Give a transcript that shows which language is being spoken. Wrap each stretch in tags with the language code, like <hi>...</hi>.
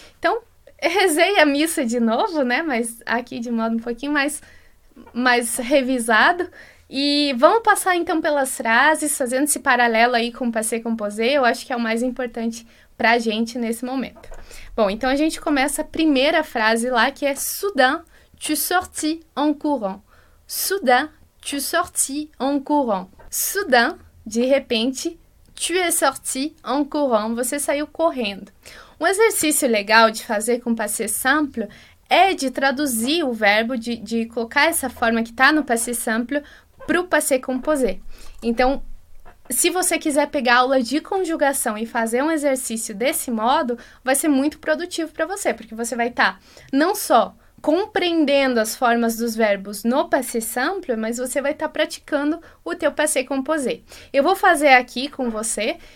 <pt>Então, rezei a missa de novo, né? Mas aqui de modo um pouquinho mais revisado. E vamos passar então pelas frases, fazendo esse paralelo aí com o passé composé, eu acho que é o mais importante pra gente nesse momento. Bom, então a gente começa a primeira frase lá, que é</pt> <fr>Soudain, tu sortis en courant. Soudain, tu sortis en courant. Soudain,</fr> <pt>de repente,</pt> <fr>tu es sorti en courant.</fr> <pt>Você saiu correndo. Um exercício legal de fazer com passé simple é de traduzir o verbo, de colocar essa forma que está no passé simple para o passé composé. Então, se você quiser pegar aula de conjugação e fazer um exercício desse modo, vai ser muito produtivo para você, porque você vai estar não só compreendendo as formas dos verbos no passé simple, mas você vai estar praticando o teu passé composé. Eu vou fazer aqui com você</pt>